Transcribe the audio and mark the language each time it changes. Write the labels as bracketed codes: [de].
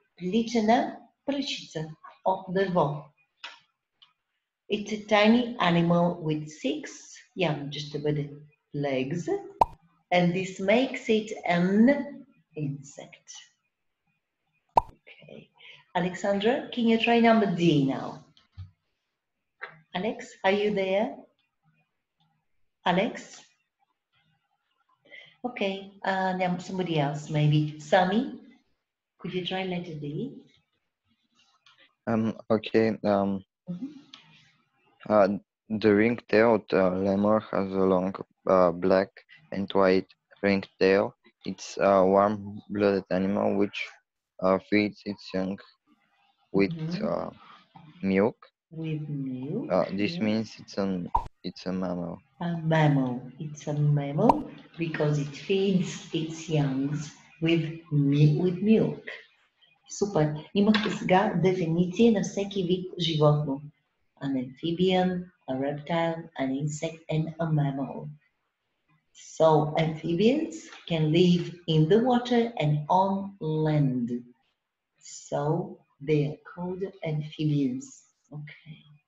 [bg] Плечена пръчица от дърво. [en] It's a tiny animal with six, yeah, just a bit, legs. And this makes it an insect. Alexandra, can you try number D now? Alex, are you there? Alex? Okay, somebody else maybe. Sami, could you try letter D? Mm-hmm. The ring-tailed lemur has a long black and white ring-tail. It's a warm-blooded animal which feeds its young with milk. With milk. This means it's a mammal. A mammal. It's a mammal because it feeds its youngs with milk. Super. [bg] Имахте сега дефиниция на всеки вид животно. [en] An amphibian, a reptile, an insect, and a mammal. So amphibians can live in the water and on land. So they are called amphibians. Okay.